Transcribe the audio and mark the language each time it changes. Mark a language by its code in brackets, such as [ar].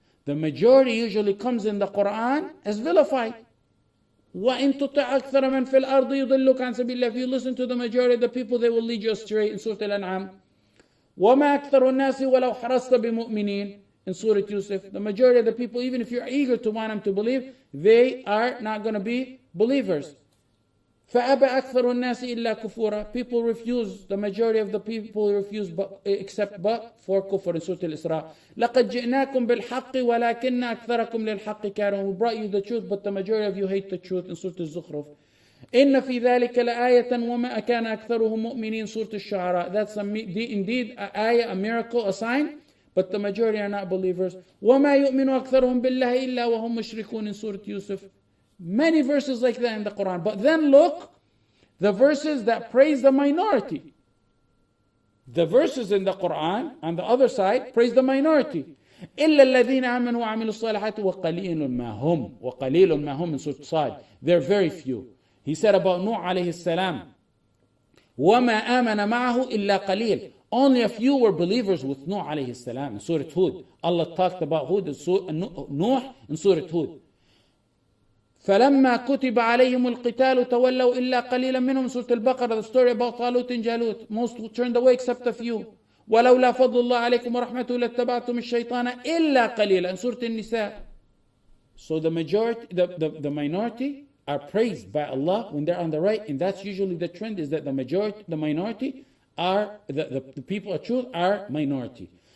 [en] The majority usually comes in the Quran as vilified. [ar] وَإِنْ تُطِعْ أَكْثَرَ مَنْ فِي الْأَرْضِ يُضِلُّكَ عَنْ سَبِيلِ اللَّهِ. [en] If you listen to the majority of the people, they will lead you astray in Surah Al-An'am. [ar] وَمَا أَكْثَرُ النَّاسِ وَلَوْ حَرَصْتَ بِمُؤْمِنِينَ in Surah Yusuf. [en] The majority of the people, even if you're eager to want them to believe, they are not going to be believers. [ar] فَأَبَى أَكْثَرُ النَّاسِ إِلَّا كُفُورًا. [en] People refuse, the majority of the people refuse except for kufr in Surah Al-Isra. [ar] لَقَدْ جِئْنَاكُمْ بِالْحَقِّ وَلَكِنَّ أَكْثَرَكُمْ لِلْحَقِّ كَارِهُونَ. [en] We brought you the truth, but the majority of you hate the truth in Surah Al-Zukhruf. [ar] إِنَّ فِي ذَلِكَ لَآيَةً وَمَا أَكَانَ أَكْثَرُهُمْ مُؤْمِنِينَ Surah Al-Shu'ara. [en] That's indeed an ayah, a miracle, a sign, but the majority are not believers. [ar] وَمَا يُؤْمِنُ أَكْثَرُهُمْ بِاللَّهِ إِلَّا وَهُمْ مُشْرِكُونَ in Surah Yusuf. [en] Many verses like that in the Quran. But then look, the verses that praise the minority. The verses in the Quran, on the other side, praise the minority. [ar] إِلَّا الَّذِينَ آمَنُوا وَعَمِلُوا الصَّالِحَاتِ وَقَلِيلٌ مَا هُمْ in Surah Sad. [en] They're very few. He said about Nuh alayhi salam, [ar] وَمَا آمَنَ مَعَهُ إِلَّا قَلِيلٌ. [en] Only a few were believers with Nuh alayhi salam in Surah Hud. Allah talked about Hud in Nuh in Surah Hud. [ar] فَلَمَّا كُتِبَ عَلَيْهِمُ الْقِتَالُ تَوَلَّوْا إِلَّا قَلِيلًا مِنْهُمْ سُورَةُ الْبَقَرَةُ [en] The story about Talut and Jalut. Most turned away except a few. [ar] وَلَوْلَا فَضْلُ اللَّهِ عَلَيْكُمْ وَرَحْمَتُهُ لَاتَّبَعْتُمْ الشَّيْطَانَ إِلَّا قَلِيلًا سُورَةُ النِّسَاءِ. [en] So the majority, the minority are praised by Allah when they're on the right, and that's usually the trend, is that the majority, the minority are, the people of truth are minority.